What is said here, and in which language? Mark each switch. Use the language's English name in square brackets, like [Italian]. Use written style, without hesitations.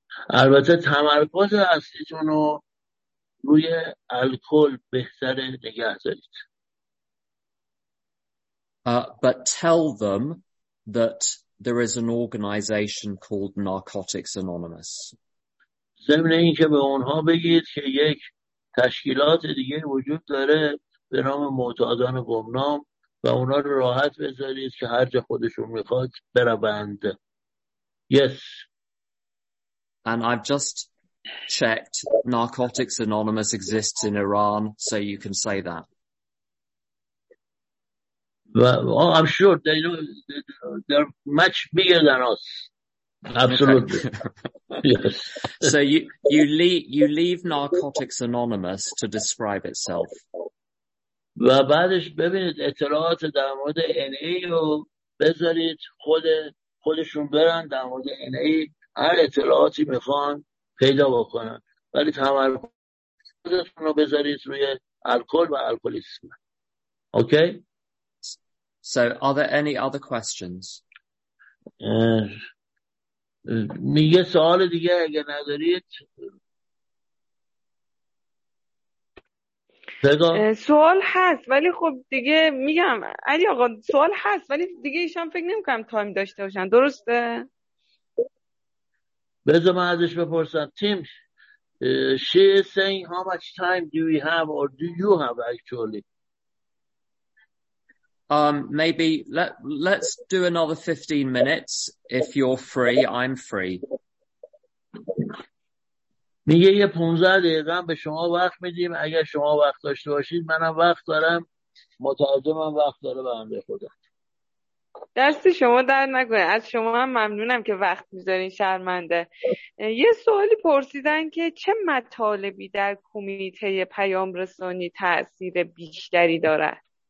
[Persian] البته تمرکز اصلیتون رو روی الکل بهتره نگه دارید. [English] But tell them that there is an organization called Narcotics Anonymous. [Persian] ضمن این که به اونها بگید که یک تشکیلات دیگه وجود داره به نام معتادان گمنام و اونا رو راحت بذارید که هر جا خودشون میخواد بروند. [English] Yes. And I've just checked, Narcotics Anonymous exists in Iran, so you can say that. Well, I'm sure they know they're much bigger than us. Absolutely. Okay. Yes. So you leave Narcotics Anonymous to describe itself. [Persian] و بعدش ببینید اطلاعات در مورد NA رو بذارید خودشون برن در مورد NA هر اطلاعاتی میخوان پیدا بکنن ولی تمرکزتون رو بذارید روی الکل و الکلیسم. اوکی؟ [English] So are there any other questions? [Persian] میگه سوال دیگه اگه ندارید سوال هست ولی خب دیگه میگم علی آقا سوال هست ولی دیگه ایشان فکر نمیکنم تایم داشته باشن درسته؟ بذار من ازش بپرسم تیم [English] she is saying how much time do we have or do you have actually maybe let's do another 15 minutes if you're free I'm free [Persian] میگه یه 15 دقیقه به شما وقت میدیم اگر شما وقت داشته باشید منم وقت دارم مترجمم وقت داره به من بخودم دست شما در نکنه از شما هم ممنونم که وقت میذارین شرمنده یه سوالی پرسیدن که چه مطالبی در کمیته پیام رسانی تأثیر بیشتری داره